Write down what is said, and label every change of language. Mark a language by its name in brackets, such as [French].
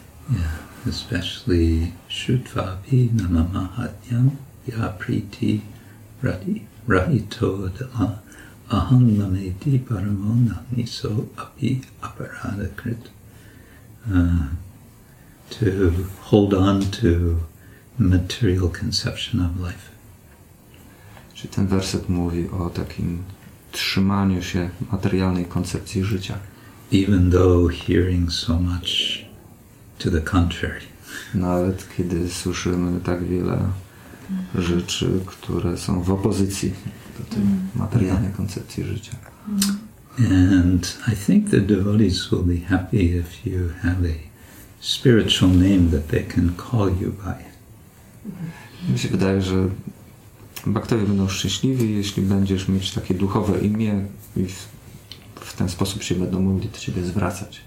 [English] Yeah, especially [Sanskrit] śrutvāpi namamahatyam ya priti rahito da aham nameti paramo nahniso api aparadakrit. [English] To hold on to material conception of life. [Polish] Czy ten werset mówi o takim trzymaniu się materialnej koncepcji życia? [English] Even though hearing so much to the contrary. [Polish] Nawet kiedy słyszymy tak wiele rzeczy, które są w opozycji do tej materialnej koncepcji życia. [English] And I think the devotees will be happy if you have a spiritual name that they can call you by. [Polish] Mi się wydaje, że Baktowie będą szczęśliwi, jeśli będziesz mieć takie duchowe imię i w ten sposób się będą mogli do ciebie zwracać.